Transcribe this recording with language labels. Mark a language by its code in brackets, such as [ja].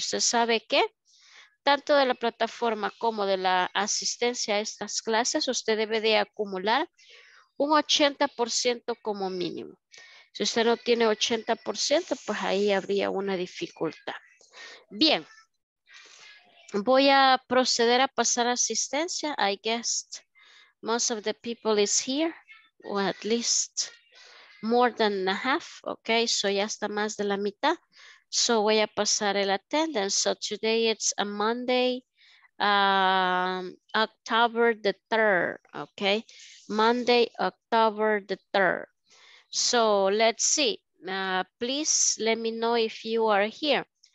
[es] Usted sabe que tanto de la plataforma como de la asistencia a estas clases, usted debe de acumular un 80% como mínimo. Si usted no tiene 80%, pues ahí habría una dificultad. Bien, voy a proceder a pasar asistencia, [en] I guess. Most of the people is here, or at least more than a half. [es] Okay, so ya está más de la mitad. So voy a pasar el attendance. [en] So today it's a Monday, October the 3rd. Okay, Monday, October the 3rd. So let's see. Please let me know if you are here.